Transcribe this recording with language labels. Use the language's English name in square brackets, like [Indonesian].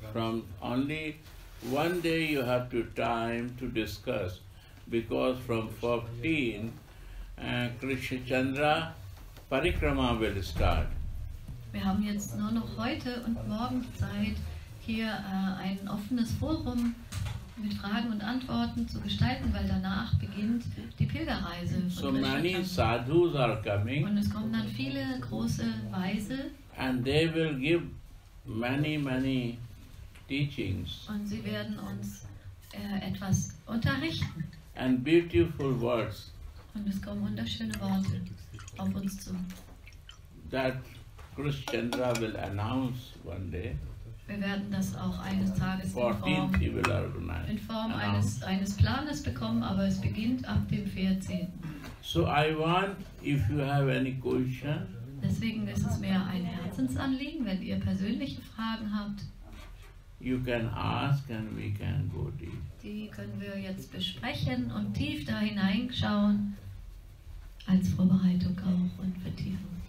[English] from only one day you have to time to discuss, because from 14, Krishna Chandra Parikrama will start. [German] Wir haben jetzt nur noch heute und morgen Zeit, hier ein offenes Forum mit Fragen und Antworten zu gestalten, weil danach beginnt die Pilgerreise. [English] So many sadhus are coming. [German] Und es kommen dann viele große Weise. [English] And they will give many, many teachings. [German] Und sie werden uns etwas unterrichten. [English] And beautiful words. [German] Und es kommen wunderschöne Worte auf uns zu. [English] That Krishna Chandra will announce one day. [German] Wir werden das auch eines Tages in Form eines Planes bekommen, aber es beginnt ab dem 14. [English] So I want, if you have any question. [German] Deswegen ist es mehr ein Herzensanliegen, wenn ihr persönliche Fragen habt. [English] You can ask and we can go deep. [German] Die können wir jetzt besprechen und tief da hineinschauen als Vorbereitung auch und Vertiefung.